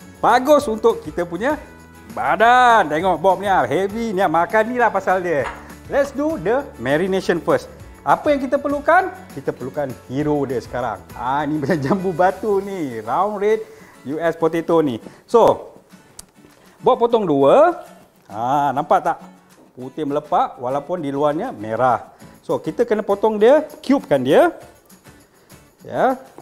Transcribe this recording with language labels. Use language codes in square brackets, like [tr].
[ms] Bagus untuk kita punya badan. Tengok Bob ni heavy ni, makan ni lah pasal dia. [en] Let's do the marination first. [ms] Apa yang kita perlukan? Kita perlukan hero dia sekarang. Ini macam jambu batu ni, round red US potato ni. So, buat potong dua. Nampak tak? Putih melepak walaupun di luarnya merah. So, kita kena potong dia, cubekan dia. Ya.